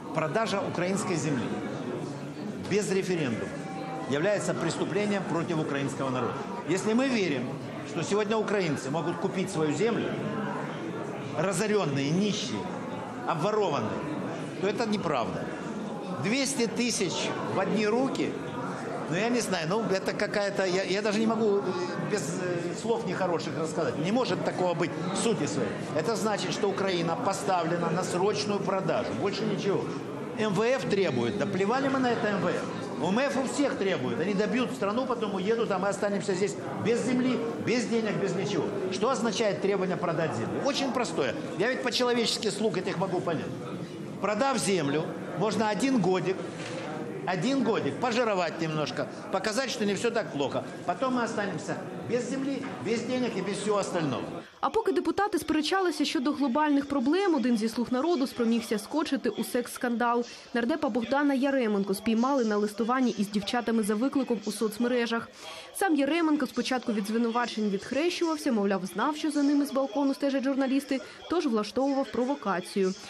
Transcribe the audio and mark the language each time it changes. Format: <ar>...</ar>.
<uk>Продажа української землі без референдуму є преступлением проти українського народу. Якщо ми віримо, що сьогодні українці можуть купити свою землю, розорені, нищі, обворовані, то це неправда.</uk> <ru>200 тысяч в одни руки, я не знаю, это какая-то, я даже не могу без слов нехороших рассказать. Не может такого быть в сути своей. Это значит, что Украина поставлена на срочную продажу, больше ничего. МВФ требует, да плевали мы на это МВФ. УМФ у всех требует. Они добьют страну, потом уедут, а мы останемся здесь без земли, без денег, без ничего. Что означает требование продать землю? Очень простое. Я ведь по-человечески слуг этих могу понять. Продав землю, можно один годик, пожировать немножко, показать, что не все так плохо. Потом мы останемся без землі, без денег і без всього остального.</ru> <uk>А поки депутати сперечалися щодо глобальних проблем, один зі «Слуг народу» спромігся скочити у секс-скандал. Нардепа Богдана Яременко спіймали на листуванні із дівчатами за викликом у соцмережах. Сам Яременко спочатку від звинувачень відхрещувався, мовляв, знав, що за ними з балкону стежать журналісти, тож влаштовував провокацію.</uk>